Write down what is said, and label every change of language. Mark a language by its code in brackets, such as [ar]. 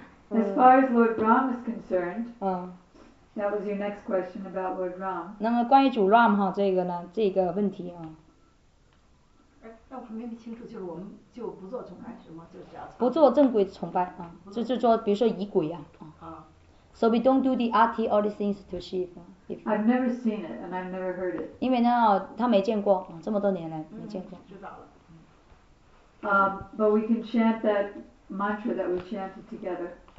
[en] As far as Lord Ram is concerned, that was your next question about Lord Ram. [zh] 那么关于主 Ram 哈这个呢，这个问题啊。那我明白清楚，就是我们就不做崇拜是吗？就是这样。不做正规崇拜啊，就是说，比如说仪轨啊。啊。 [en] So we don't do the RT all these things to Shiva. I've never seen it and I've never heard it. [zh] 因为呢，他没见过，这么多年来没见过。知道了。 [en] But we can chant that mantra that we chanted together.